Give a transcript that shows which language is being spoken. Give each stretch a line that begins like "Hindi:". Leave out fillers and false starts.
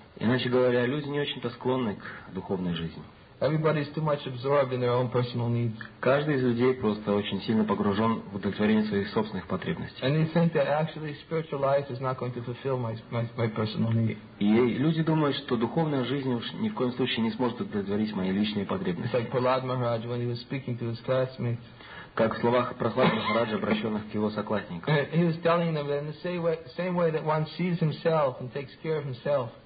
Russian: Иначе говоря, люди не очень-то склонны к духовной жизни.
English: Everybody is too much absorbed in their own personal needs.
Russian: Каждый из людей просто очень сильно погружен в удовлетворение своих собственных потребностей.
English: And they think that actually spiritual life is not going to fulfill my personal needs.
Russian: И люди думают, что духовная жизнь уж ни в коем случае не сможет удовлетворить мои личные потребности.
English: It's like Prahlad Maharaj, when he was speaking to his classmates.
Russian: Как в словах Прохлада Махараджа, обращенных к его соклассникам.
English: He was telling them that in the same way that one sees himself and takes care of himself.